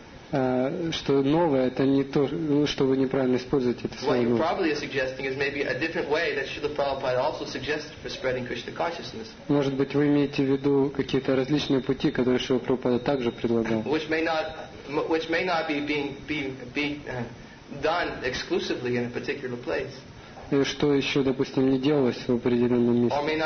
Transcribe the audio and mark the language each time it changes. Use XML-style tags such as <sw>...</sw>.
<ru>Что новое, это не то, ну, что вы неправильно используете это слово.</ru> <en>What you're probably suggesting is maybe a different way that Srila Prabhupada also suggested for spreading Krishna consciousness.</en> <ru>Может быть, вы имеете в виду какие-то различные пути, которые Шрила Прабхупада также предлагал.</ru> <en>Which may not be done exclusively in a particular place.</en> <ru>И что еще, допустим, не делалось в определенном месте.</ru>